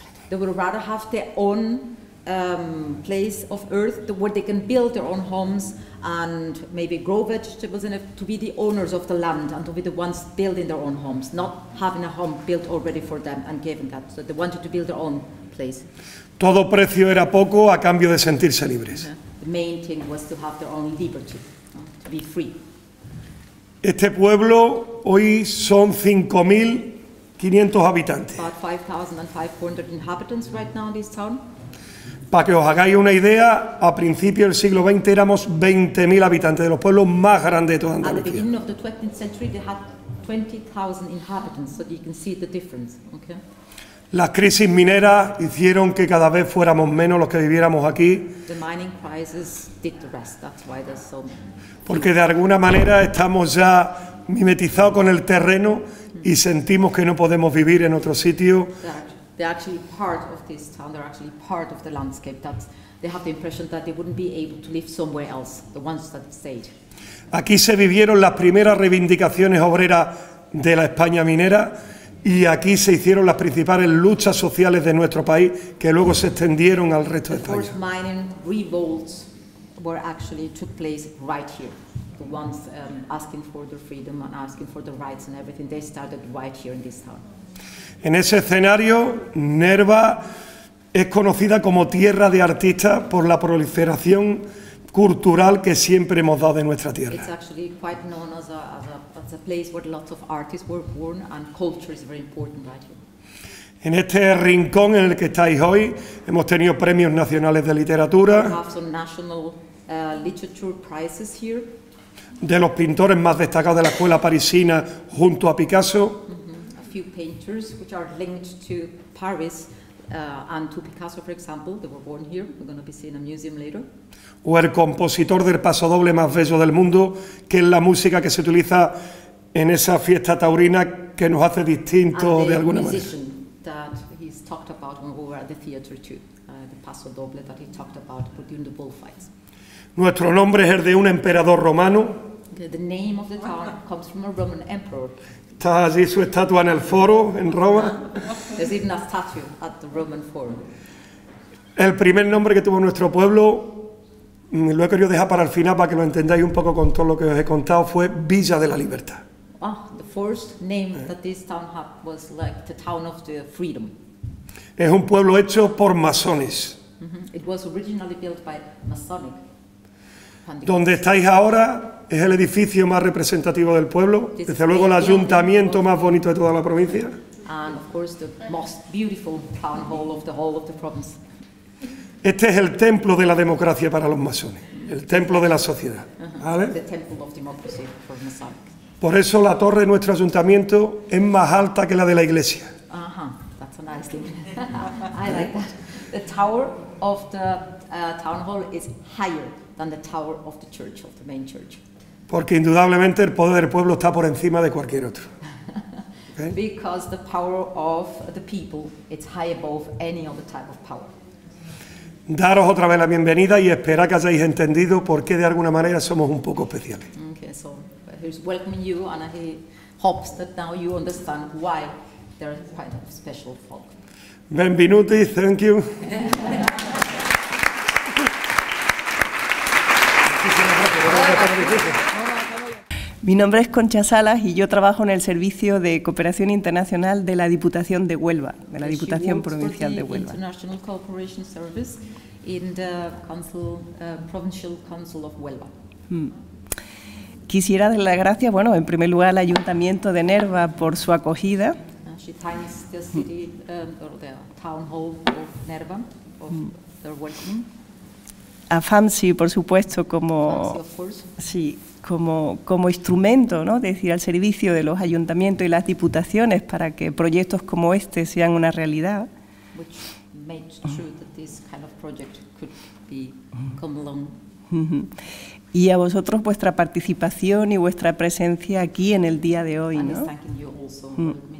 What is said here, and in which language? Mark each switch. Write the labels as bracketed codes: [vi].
[en] They would rather have their own place of earth where they can build their own homes and maybe grow vegetables in it, to be the owners of the land and to be the ones building their own homes, not having a home built already for them and given that. So they wanted to build their own place. [es] Todo precio era poco a cambio de sentirse libres. [en] Yeah. The main thing was to have their own liberty, to be free. [es] Este pueblo hoy son 5.500 habitantes. [en] About 5,500 inhabitants right now in this town. [es] Para que os hagáis una idea, a principios del siglo XX éramos 20.000 habitantes, de los pueblos más grandes de toda Andalucía. [en] At the beginning of the 20th century, they had 20,000 inhabitants, so you can see the difference, okay? [es] Las crisis mineras hicieron que cada vez fuéramos menos los que viviéramos aquí. [en] The mining crisis did the rest. That's why there's so many. [es] Porque de alguna manera estamos ya mimetizados con el terreno y sentimos que no podemos vivir en otro sitio. [en] They're actually part of this town. They're actually part of the landscape. That's, they have the impression that they wouldn't be able to live somewhere else, the ones that stayed. [es] Aquí se vivieron las primeras reivindicaciones obreras de la España minera y aquí se hicieron las principales luchas sociales de nuestro país que luego se extendieron al resto de España. [en] The first mining revolts were actually took place right here. The ones asking for their freedom and asking for their rights and everything, they started right here in this town. [es] En ese escenario, Nerva es conocida como tierra de artistas por la proliferación cultural que siempre hemos dado de nuestra tierra. [en] It's actually quite known as a place where lots of artists were born and culture is very important right here. [es] En este rincón en el que estáis hoy, hemos tenido premios nacionales de literatura. [en] We have some national literature prizes here. [es] De los pintores más destacados de la escuela parisina junto a Picasso. [en] A few painters which are linked to Paris and to Picasso, for example, they were born here. We're going to be seeing a museum later. [es] O el compositor del paso doble más bello del mundo, que es la música que se utiliza en esa fiesta taurina que nos hace distinto de alguna manera. [en] And the musician that he's talked about when we were at the theater too, the paso doble that he talked about during the bullfights. [es] Nuestro nombre es el de un emperador romano. [en] The name of the town comes from a Roman emperor. [es] Está allí su estatua en el foro, en Roma. [en] There's even a statue at the Roman Forum. [es] El primer nombre que tuvo nuestro pueblo, lo he querido dejar para el final para que lo entendáis un poco con todo lo que os he contado, fue Villa de la Libertad. [en] Ah, the first name that this town had was like the town of the freedom. [es] Es un pueblo hecho por masones. [en] Mm-hmm. It was originally built by Masonic. [es] Donde estáis ahora es el edificio más representativo del pueblo, desde luego el ayuntamiento más bonito de toda la provincia. [en] And of course the most beautiful town hall of the whole of the province. [es] Este es el templo de la democracia para los masones. El templo de la sociedad, ¿vale? [en] The temple of democracy for Masonic. [es] Por eso la torre de nuestro ayuntamiento es más alta que la de la iglesia. [en] That's a nice thing. I like that. The tower of the town hall is higher than the tower of the church, of the main church. [es] Porque indudablemente el poder del pueblo está por encima de cualquier otro. [en] Okay? Because the power of the people is high above any other type of power. [es] Daros otra vez la bienvenida y espera que hayáis entendido por qué de alguna manera somos un poco especiales. [en] Okay, so he's welcoming you and he hopes that now you understand why there's quite a special folk. Benvenuti, thank you. [es] Mi nombre es Concha Salas y yo trabajo en el Servicio de Cooperación Internacional de la Diputación de Huelva, de la Diputación Provincial de Huelva. [en] International Cooperation Service in the Council, Provincial Council of Huelva. [es] Quisiera dar las gracias, bueno, en primer lugar al Ayuntamiento de Nerva por su acogida. [en] She thanks the city, or the town hall of Nerva for their welcoming. [es] A FAMSI, por supuesto, como sí, como instrumento, ¿no? Es decir, al servicio de los ayuntamientos y las diputaciones para que proyectos como este sean una realidad. [en] Which made true that this kind of project could be come along. [es] Y a vosotros vuestra participación y vuestra presencia aquí en el día de hoy, ¿no?